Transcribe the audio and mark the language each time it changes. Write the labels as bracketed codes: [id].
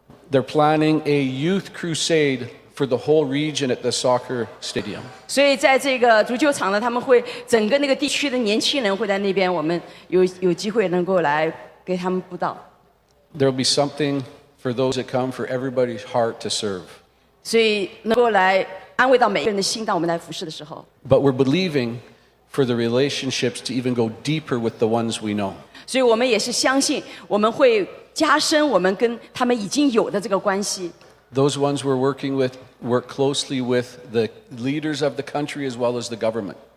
[en] They're planning a youth crusade for the whole region at the soccer stadium. [zh] 所以在这个足球场呢，他们会整个那个地区的年轻人会在那边，我们有机会能够来给他们布道。 [en] There will be something for those that come, for everybody's heart to serve. [zh] 所以能够来安慰到每一个人的心，当我们来服侍的时候。 [en] But we're believing for the relationships to even go deeper with the ones we know. [zh] 所以我们也是相信我们会加深我们跟他们已经有的这个关系。 [en] Those ones we're working with work closely with the leaders of the country as well as the government.